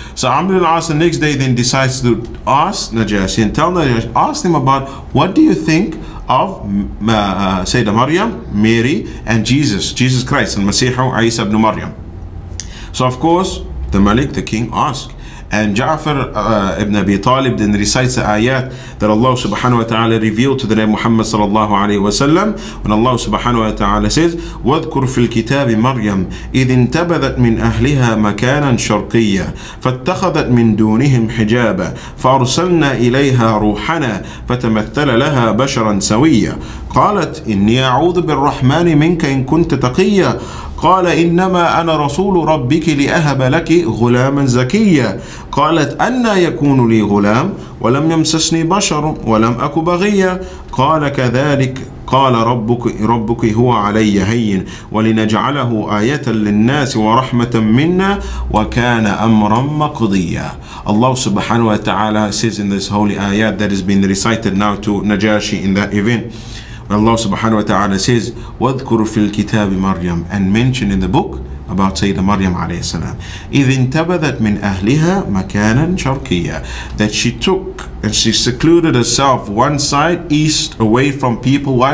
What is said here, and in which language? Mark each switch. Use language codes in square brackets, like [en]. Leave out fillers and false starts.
[en] So Amr ibn al-As the next day then decides to ask Najashi and tell Najashi, ask him about what do you think of Sayyidah Maryam, Mary, and Jesus Christ, and Masihu Isa ibn Maryam. So of course, the Malik, the king, asks. And Ja'far ibn Abi Talib then recites the ayat that Allah subhanahu wa ta'ala revealed to the Nabi Muhammad sallallahu alayhi wa sallam, when Allah subhanahu wa ta'ala says, [ar] وَذْكُرْ فِي الْكِتَابِ مَرْيَمْ إِذْ انْتَبَذَتْ مِنْ أَهْلِهَا مَكَانًا شَرْقِيًّا فَاتَّخَذَتْ مِنْ دُونِهِمْ حِجَابًا فَأَرْسَلْنَا إِلَيْهَا رُوحَنَا فَتَمَثَّلَ لَهَا بَشَرًا سَوِيًّا قالت إني أعوذ بالرحمن منك إن كنت تقيا قال إنما أنا رسول ربك لأهب لك غلاما زكيا قالت أنى يكون لي غلام ولم يمسسني بشر ولم أك بغيا قال كذلك قال ربك هو علي هين ولنجعله آية للناس ورحمة منا وكان أمرا مقضيا. [en] Allah subhanahu wa ta'ala says in this holy ayat that has been recited now to Najashi in that event, Allah subhanahu wa ta'ala says, [ar] وَذْكُرُ فِي الْكِتَابِ مَرْيَمْ, [en] and mention in the book about Sayyidah Maryam alayhi salam. [ar] إِذْ انْتَبَذَتْ مِنْ أَهْلِهَا مَكَانًا شَرْقِيًّا, [en] that she took and she secluded herself one side east away from people. Why?